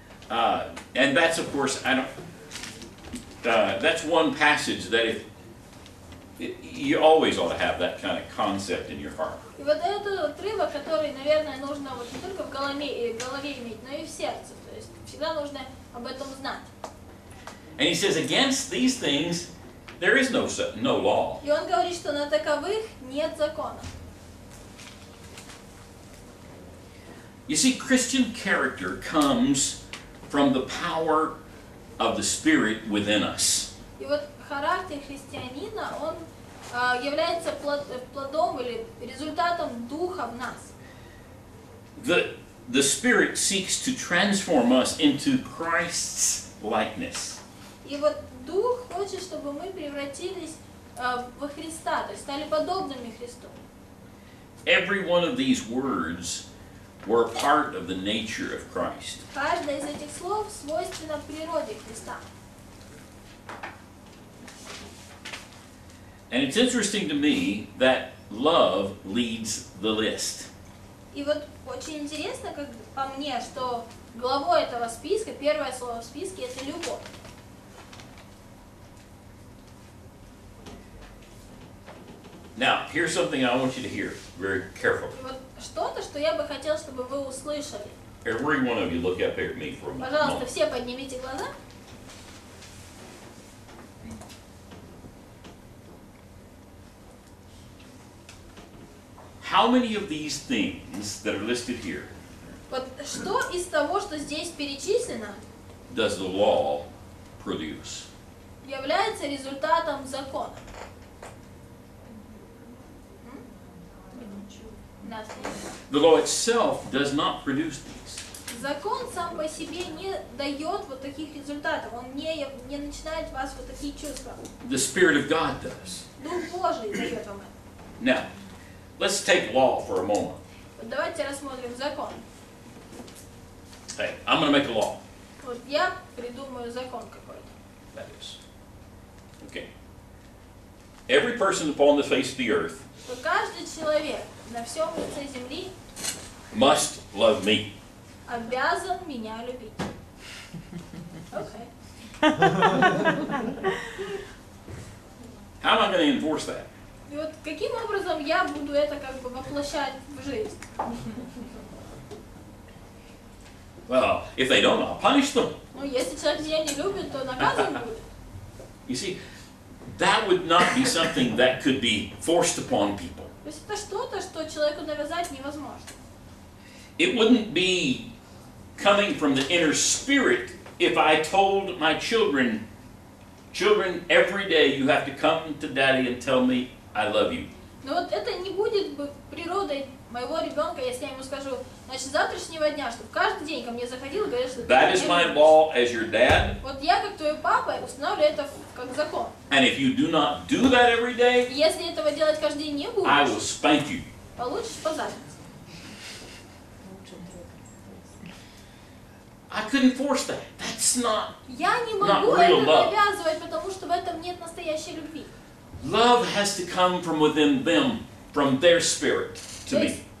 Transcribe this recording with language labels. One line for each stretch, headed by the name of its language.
English: And that's, of course, that's one passage that you always ought to have that kind of concept in your heart.
Russian: И вот этот отрывок, который, наверное, нужно вот не только в голове иметь, но и в сердце. То есть всегда нужно об этом знать.
English: He says, against these things there is no law.
Russian: И он говорит, что на таковых нет закона.
English: You see, Christian character comes from the power of the Spirit within us.
Russian: И вот характер христианина, он является плодом или результатом Духа в нас.
English: The Spirit seeks to transform us into Christ's likeness.
Russian: И вот Дух хочет, чтобы мы превратились во Христа, то есть стали подобными Христу.
English: Every one of these words were part of the nature of Christ.
Russian: Каждое из этих слов свойственно природе Христа.
English: And it's interesting to me that love leads the list.
Russian: И вот очень интересно, как по мне, что главой этого списка, первое слово в списке, это любовь.
English: Now, here's something I want you to hear very carefully.
Russian: И вот что-то, что я бы хотел, чтобы вы услышали.
English: Every one of you look up at me for a moment.
Russian: Пожалуйста, все поднимите глаза.
English: How many of these things that are listed here? But
Russian: что из того, что здесь перечислено?
English: Does the law produce?
Russian: Является результатом закона.
English: The law itself does not produce these.
Russian: Закон сам по себе не дает вот таких результатов. Он не начинает вас вот такие чувства.
English: The Spirit of God does.
Russian: Дух Божий дает вам это.
English: Now, let's take law for a moment.
Russian: Давайте рассмотрим закон.
English: Hey, I'm going to make a law.
Russian: Вот я придумаю закон какой-то.
English: That is. Okay. Every person upon the face of the earth.
Russian: Каждый человек на всем лице земли.
English: Must love me.
Russian: Обязан меня любить.
English: Okay. How am I going to enforce that?
Russian: И вот каким образом я буду это как бы воплощать в жизнь?
English: Well, if they don't, I'll punish them.
Russian: Ну, если человек меня не любит, то наказан будет.
English: You see, that would not be something that could be forced upon people.
Russian: То есть это что-то, что человеку навязать невозможно.
English: It wouldn't be coming from the inner spirit if I told my children, every day you have to come to daddy and tell me I love you.
Russian: Но вот это не будет бы природой моего ребенка, если я ему скажу, значит, с завтрашнего дня, чтобы каждый день ко мне заходил и говорил, что ты.
English: That is my law as your dad.
Russian: Вот я как твой папа устанавливаю это как закон.
English: And if you do not do that every day,
Russian: если этого делать каждый день не будешь,
English: I will spank you.
Russian: Получишь по заднице.
English: I couldn't force that. That's not.
Russian: Я не могу это навязывать, потому что в этом нет настоящей любви.
English: Love has to come from within them, from their spirit to me.